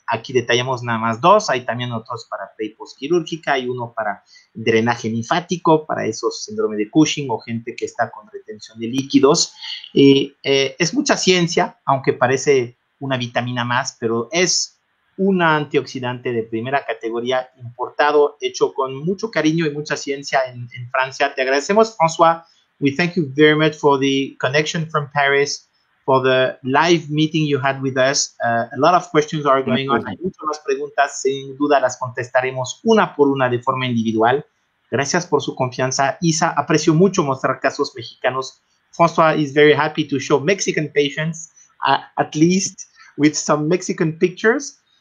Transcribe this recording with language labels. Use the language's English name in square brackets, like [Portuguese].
[Spanish] Aquí detallamos nada más 2, hay también otros para pre y postquirúrgica, hay uno para drenaje linfático, para esos síndrome de Cushing o gente que está con retención de líquidos. Y es mucha ciencia, aunque parece una vitamina más, pero es un antioxidante de primera categoría importado, hecho con mucho cariño y mucha ciencia en Francia. Te agradecemos, François. [English] We thank you very much for the connection from Paris, for the live meeting you had with us. A lot of questions are going on. [Spanish] Hay muchas más preguntas. Sin duda las contestaremos una por una de forma individual. Gracias por su confianza. Isa, aprecio mucho mostrar casos mexicanos. [English] François is very happy to show Mexican patients, at least with some Mexican pictures.